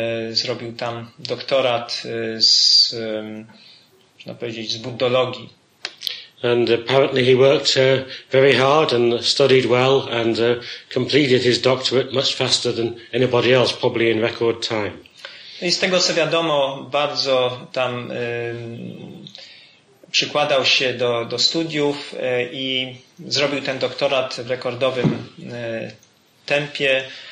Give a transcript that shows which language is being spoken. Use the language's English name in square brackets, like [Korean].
[Polish] Zrobił tam doktorat z można powiedzieć z buddologii. [English] And apparently he worked very hard and studied well and completed his doctorate much faster than anybody else, probably in record time. [Polish] I z tego co wiadomo, bardzo tam przykładał się do studiów i zrobił ten doktorat w rekordowym tempie.